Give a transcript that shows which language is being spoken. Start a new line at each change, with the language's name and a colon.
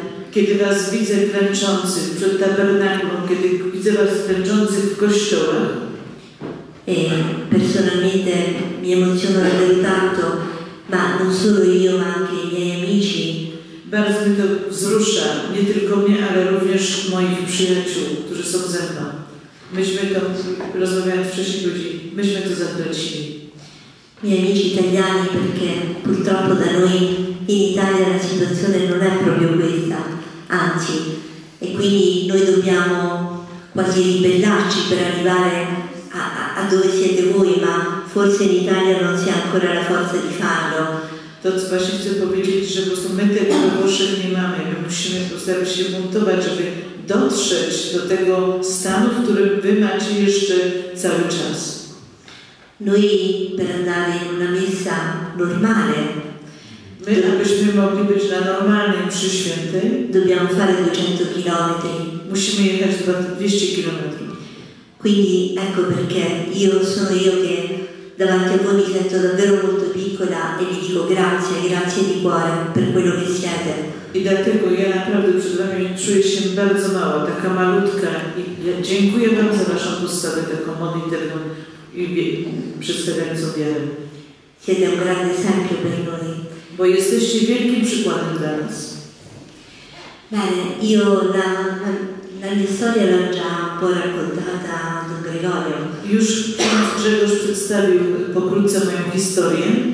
Polish: kiedy was widzę klęczących przed tabernakulum, kiedy widzę was klęczących w kościołach.
Italian: Personalmente mi emociono davvero tanto, ma non solo io, ma anche i miei amici.
Polish: Bardzo mi to wzrusza, nie tylko mnie, ale również moich przyjaciół, którzy są ze mną. Myśmy to, rozmawiając wcześniej ludzi, myśmy to zatracili.
Italian: Miei amici italiani, perché purtroppo da noi in Italia la situazione non è proprio questa, anzi, e quindi noi dobbiamo quasi ribellarci per arrivare a dove siete voi, ma forse in Italia non si ha ancora la forza di farlo.
Polish: To, co właśnie chcę powiedzieć, że po prostu my tego we Włoszech nie mamy. My musimy postarać się montować, żeby dotrzeć do tego stanu, w którym wy macie jeszcze cały czas.
Italian: Noi per andare in una messa normale.
Polish: My, abyśmy mogli być na normalnej mszy świętej,
Italian: dobbiamo fare 200 km.
Polish: Musimy jechać 200 km.
Italian: Quindi ecco perché io sono io che davanti a voi mi sento davvero molto piccola e vi dico grazie, grazie di cuore per quello che siete.
Polish: I dlatego ja naprawdę przed wami czuję się bardzo mała, taka malutka. I ja dziękuję wam za waszą postawę, taką modlitewną i przedstawiającą wiarę.
Italian: Siete un grande esempio per noi.
Polish: Bo jesteście wielkim przykładem dla nas.
Italian: Bene, io la mia storia l'ho già un po' raccontata Don Gregorio.
Polish: Już Grzegorz przedstawił pokrótce moją historię.